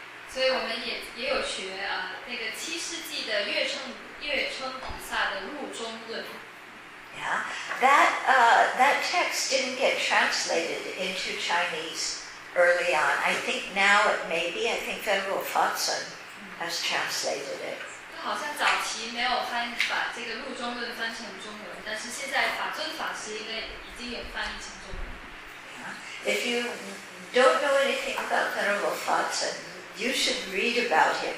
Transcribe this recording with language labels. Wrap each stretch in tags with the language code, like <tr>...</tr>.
<zh>所以我们也有学那个七世纪的月称菩萨的入中论。</zh> <en>Yeah, that text didn't get translated into Chinese early on. I think now it may be. I think Venerable Fatsun has translated it.</en> <zh>好像早期没有翻把这个入中论翻成中文，但是现在法尊法师应该已经有翻译成中文。If</zh> <en>you don't know anything about Venerable Fatsun, you should read about him.</en>